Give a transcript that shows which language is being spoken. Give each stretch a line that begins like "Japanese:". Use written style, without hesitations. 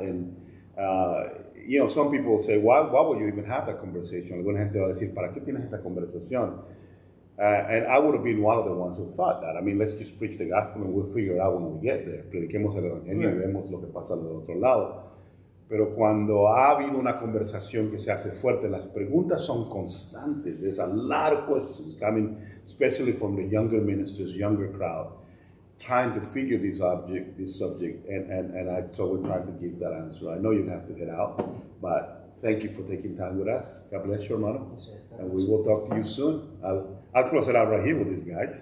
English: And you know, some people say, why would you even have that conversation?
Spanish: Alguna gente va a decir, ¿para qué tienes esa conversación?
English: And I would have been one of the ones who thought that. I mean, let's just preach the gospel and we'll figure out when we get there.
Spanish: Prediquemos el evangelio y vemos lo que pasa del otro lado. Pero cuando ha habido una conversación que se hace fuerte, las preguntas son constantes.
English: There's a lot of questions coming, especially from the younger ministers, younger crowd, trying to figure this subject. So we're trying to give that answer. I know you have to head out, but thank you for taking time with us. God bless you, hermano. And we will talk to you soon. I'll cross it out right here with these guys.